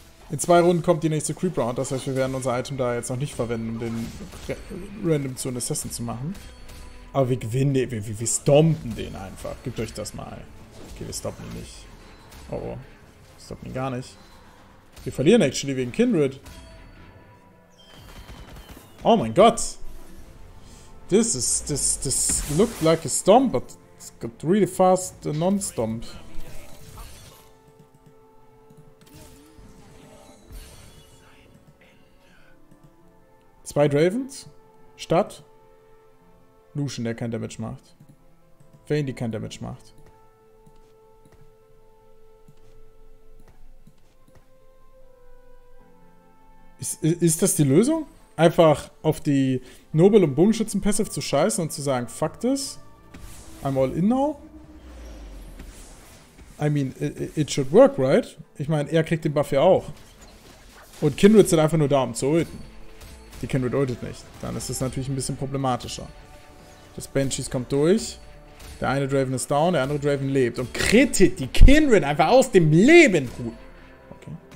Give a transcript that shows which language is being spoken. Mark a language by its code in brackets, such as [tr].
[de] In zwei Runden kommt die nächste Creep Round, das heißt, wir werden unser Item da jetzt noch nicht verwenden, um den random zu einem Assassin zu machen. Aber wir gewinnen den, wir stompen den einfach. Gebt euch das mal. Okay, wir stoppen ihn nicht. Oh, wir stoppen ihn gar nicht. Wir verlieren actually wegen Kindred. Oh mein Gott! [en] This looked like a stomp, but it's got really fast non-stomp. [de] Zwei Dravens statt Lucian, der kein Damage macht. Vayne, die kein Damage macht. Ist das die Lösung? Einfach auf die Nobel- und Bogenschützen-Passive zu scheißen und zu sagen, [en] fuck this, I'm all in now. I mean, it should work, right? [de] Ich meine, er kriegt den Buff ja auch. Und Kindred sind einfach nur da, um zu ulten. Die Kindred ultet nicht. Dann ist es natürlich ein bisschen problematischer. Das Banshees kommt durch. Der eine Draven ist down, der andere Draven lebt. Und crittet die Kindred einfach aus dem Leben, Bruder. Okay.